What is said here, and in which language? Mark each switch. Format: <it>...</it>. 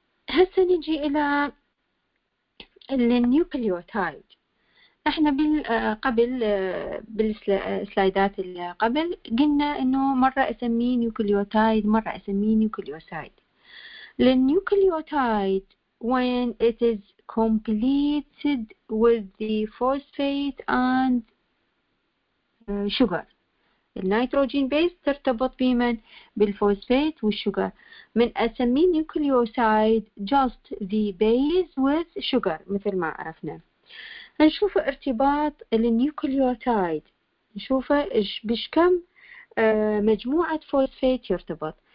<ar>هسه نجي إلى النيوكليوتايد. احنا قبل بالسلايدات اللي قبل قلنا انه مرة اسميه نيوكليوتايد مرة اسميه نيوكليوسايد.</ar> <en>The nucleotide, when it is completed with the phosphate and sugar, the nitrogen base</en> <ar>ترتبط بمن؟ بالفوسفات والشجر. من أسمي</ar> <en>nucleoside just the base with sugar</en> <ar>مثل ما عرفنا. نشوف ارتباط النيوكليوتايد، نشوف بشكم مجموعة فوسفات يرتبط.</ar>